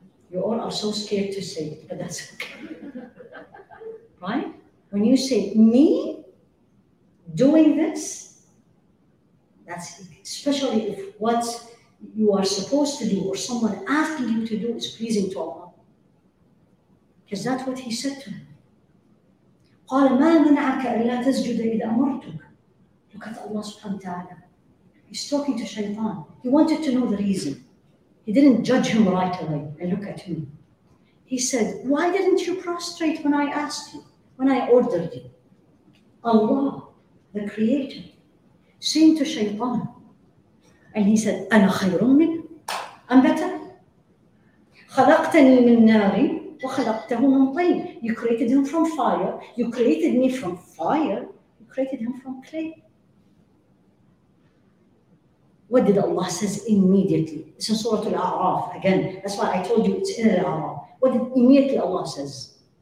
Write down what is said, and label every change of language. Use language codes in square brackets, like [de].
[en] You all are so scared to say it, but that's okay. Right? When you say me doing this, that's especially if what you are supposed to do or someone asking you to do is pleasing to Allah. Because that's what he said to him. [ar] قال ما منعك إلا تسجد إذا أمرتك. [en] Look at Allah subhanahu wa ta'ala. He's talking to Shaitan. He wanted to know the reason. He didn't judge him right away. And look at me. He said, why didn't you prostrate when I asked you, when I ordered you? Allah, the creator, saying to Shaitan. And he said, [ar] أنا خير منك. [en] I'm better. [ar] خلقتني من ناري وخلقته من طين. [en] You created him from fire. You created me from fire. You created him from clay. What did Allah says immediately? It's in Surah Al-A'raf. Again, that's why I told you it's in Al-A'raf. What did immediately Allah says?